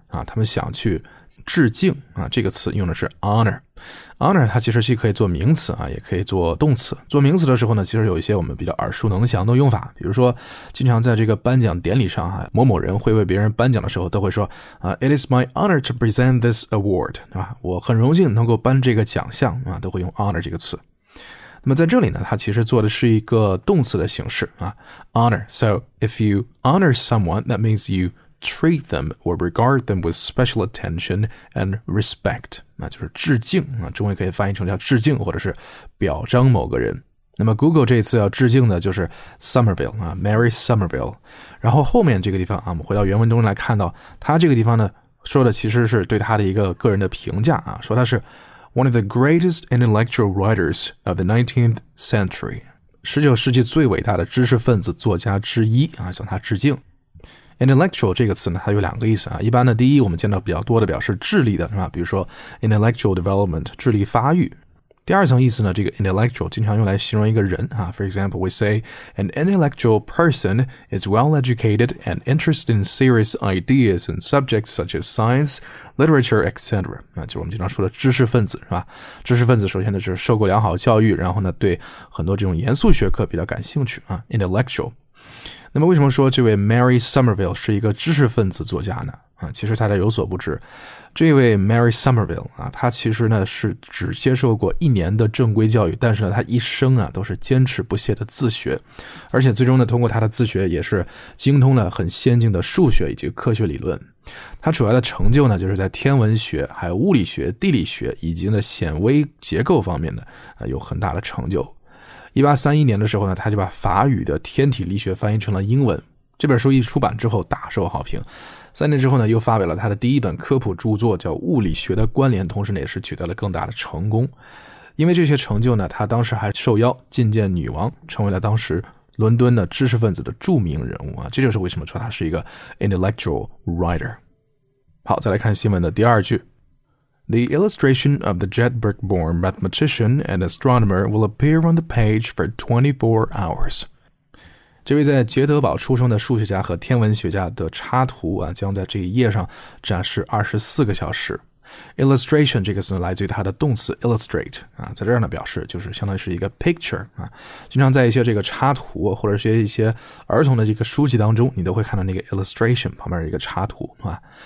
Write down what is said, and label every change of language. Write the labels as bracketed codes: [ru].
[zh] 啊、他们想去致敬、啊、这个词用的是 honor Honor 它其实是可以做名词、啊、也可以做动词做名词的时候呢其实有一些我们比较耳熟能详的用法比如说经常在这个颁奖典礼上、啊、某某人会为别人颁奖的时候都会说、啊、 [en] It is my honor to present this award [zh] 对吧我很荣幸能够颁这个奖项、啊、都会用 honor 这个词那么在这里呢它其实做的是一个动词的形式啊 ,honor. [en] So, if you honor someone, that means you treat them or regard them with special attention and respect. [zh] 那就是致敬啊中文可以翻译成叫致敬或者是表彰某个人。那么 Google 这一次要致敬的就是 Somerville, 啊 ,Mary Somerville. 然后后面这个地方啊我们回到原文中来看到它这个地方呢说的其实是对它的一个个人的评价啊说它是 [en] One of the greatest intellectual writers of the 19th century. [zh] 19世纪最伟大的知识分子作家之一、啊、向他致敬。 Intellectual 这个词呢它有两个意思、啊、一般呢第一我们见到比较多的表示智力的是吧比如说 intellectual development, 智力发育。第二层意思呢这个 intellectual 经常用来形容一个人、啊、 [en] For example, we say, an intellectual person is well-educated and interested in serious ideas and subjects such as science, literature, etc. [zh] 那就是我们经常说的知识分子是吧知识分子首先呢就是受过良好教育然后呢对很多这种严肃学科比较感兴趣啊 intellectual。那么为什么说这位 Mary Somerville 是一个知识分子作家呢？其实大家有所不知，这位 Mary Somerville 啊，他其实呢是只接受过一年的正规教育，但是呢他一生啊都是坚持不懈的自学，而且最终呢通过他的自学也是精通了很先进的数学以及科学理论。他主要的成就呢就是在天文学、还有物理学、地理学以及呢显微结构方面呢有很大的成就。 1831年的时候呢，他就把法语的天体力学翻译成了英文。这本书一出版之后大受好评。三年之后呢，又发表了他的第一本科普著作，叫《物理学的关联》，同时呢，也是取得了更大的成功。因为这些成就呢，他当时还受邀觐见女王，成为了当时伦敦的知识分子的著名人物啊。这就是为什么说他是一个 intellectual writer。好，再来看新闻的第二句。 [en] The illustration of the Jedburgh-born mathematician and astronomer will appear on the page for 24 hours. [zh] 这位在杰德堡出生的数学家和天文学家的插图啊，将在这一页上展示24个小时。 Illustration 这个词来自于它的动词 illustrate 啊，在这儿呢表示就是相当于是一个 picture 啊，经常在一些这个插图或者是一些儿童的这个书籍当中，你都会看到那个 illustration 旁边一个插图啊。